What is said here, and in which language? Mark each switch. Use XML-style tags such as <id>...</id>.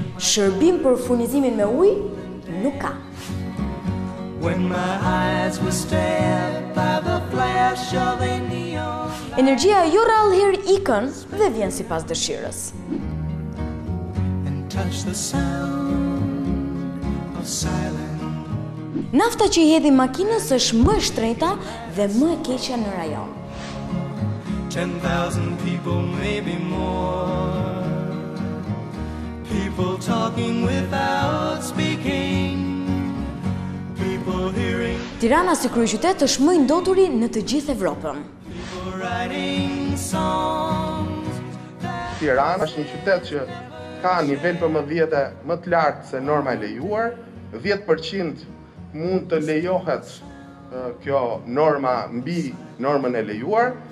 <sq>Shërbim për furnizimin me ujë nuk ka.</sq> <en>When my eyes were stared by the flash of a neon.</en> <sq>Energjia jo rallëherë ikën dhe vjen sipas dëshirës. Nafta që i hedhi makinës është më e shtrejta dhe më e keqja në rajon.</sq> <en>10,000 people maybe more. People talking without speaking. People hearing.</en> <sq>Tirana si kryeqytet është më i ndoturi në të gjithë Evropën. Tirana është një qytet që ka nivel PM10 më të lartë se norma e lejuar, 10% mund të lejohet kjo norma mbi normën e lejuar.</sq>